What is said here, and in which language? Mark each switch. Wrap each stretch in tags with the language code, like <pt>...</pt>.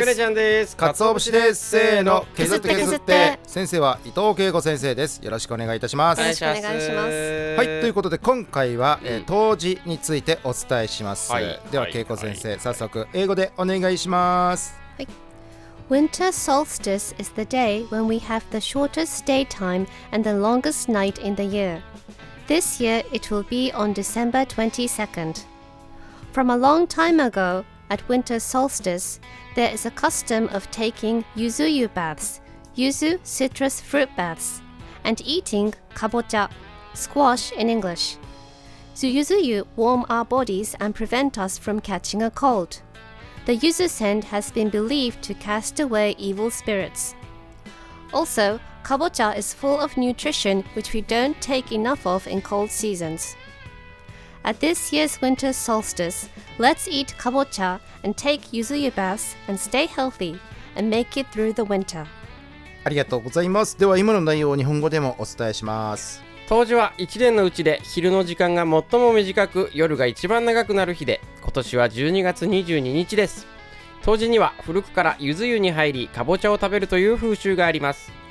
<ja>ゆねちゃんです。かつお節です。せーの、削って削っ て。先生は伊藤恵子先生です。よろしくお願いいたします。よろしくお願いします。はい、ということで今回は、当時についてお伝えします、はい、では恵子先生、はい、早速英語でお願いします。はい。</ja> <en>Winter solstice is the day when we have the shortest daytime and the longest night in the year. This year it will be on December 22nd. From a long time ago, at winter solstice, there is a custom of taking yuzu baths, yuzu citrus fruit baths, and eating kabocha, squash in English. So yuzu warm our bodies and prevent us from catching a cold. The yuzu scent has been believed to cast away evil spirits. Also, kabocha is full of nutrition which we don't take enough of in cold seasons. At this year's winter solstice, let's eat kabocha and take yuzu baths and stay healthy and make it through the winter.</en> <ja>ありがとうございます。では今の内容を日本語でもお伝えします。冬至は1年のうちで昼の時間が最も短く、夜が一番長くなる日で、今年は12月22日です。冬至には古くからゆず湯に入り、かぼちゃを食べるという風習があります。</ja>